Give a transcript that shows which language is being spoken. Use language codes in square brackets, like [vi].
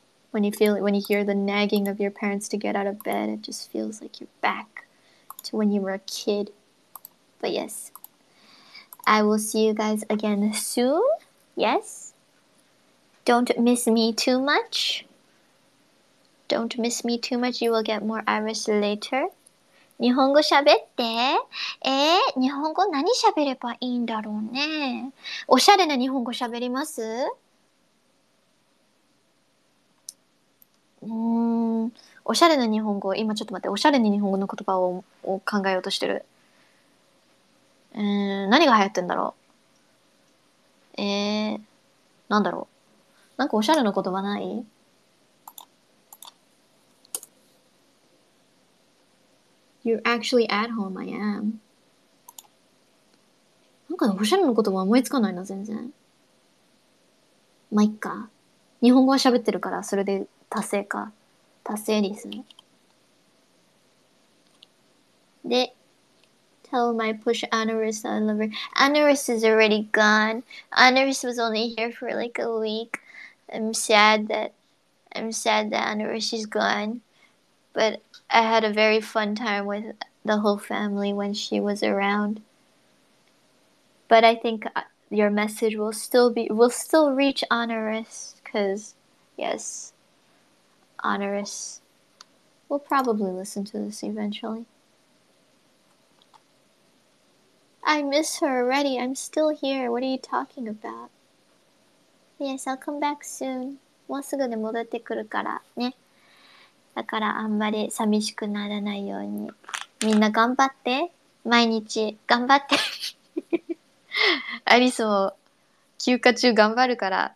[en] When you hear the nagging of your parents to get out of bed, it just feels like you're back to when you were a kid. But yes, I will see you guys again soon. Yes. Don't miss me too much. Don't miss me too much. You will get more Irish later. [ja] 日本語喋って。日本語何喋ればいいんだろうね? おしゃれな日本語喋ります? おしゃれな日本語。今ちょっと待って。おしゃれに日本語の言葉を考えようとしてる。何が流行ってんだろう? 何だろう?なんかおしゃれな言葉ない? [en] You're actually at home, I am. [ja] なんかおしゃれの言葉思いつかないな、全然。まあいっか。日本語は喋ってるから、それで達成か。達成です。 [en] で、 Tell my push Anaris I love her. Anaris is already gone. Anaris was only here for like a week. I'm sad that Anaris is gone. But I had a very fun time with the whole family when she was around. But I think your message will still reach Honoris, because yes, Honoris will probably listen to this eventually. I miss her already. I'm still here. What are you talking about? Yes, I'll come back soon. [ja] もうすぐで戻ってくるからね。だからあんまり寂しくならないようにみんな頑張って。毎日頑張って。アリスも休暇中頑張るから。